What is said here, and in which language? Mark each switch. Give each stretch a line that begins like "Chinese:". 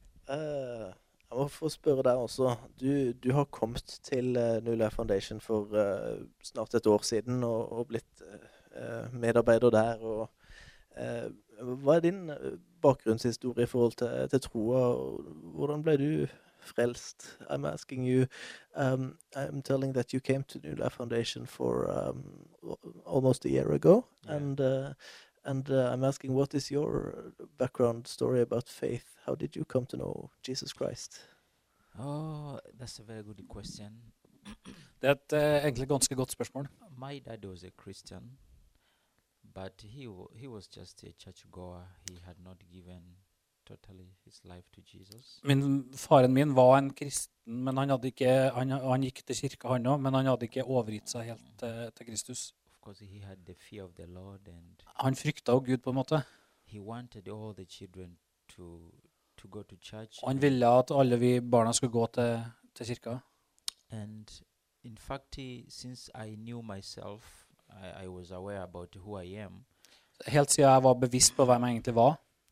Norwegian: Jeg må få spørre deg også. Du har kommet til New Life Foundation for snart et år siden og blitt medarbeider der. Og, hva din bakgrunnshistorie i forhold til troa? Hvordan ble du frelst?
English: I'm asking you, I'm telling that you came to New Life Foundation for almost a year ago. Yeah. And I'm asking, what is your background story about faith? How did you come to know Jesus Christ? Oh, that's a very good question.
Norwegian: Det er egentlig et ganske godt spørsmål.
English: My dad was a Christian, but he was just a churchgoer. He had not given totally his life to Jesus.
Norwegian: Min faren min var en kristen, men han hadde ikke han gikk til kirka han også, men han hadde ikke overgitt seg helt til Kristus.
English: Of course he had the fear of the Lord and
Norwegian: han frykta og Gud på en måte.
English: He wanted all the children to go to church.
Norwegian: Han ville at alle vi barna skulle gå til kirka.
English: And in fact, since I knew myself, I was aware about who I am.
Norwegian: Helt siden jeg var bevisst på hvem jeg egentlig var.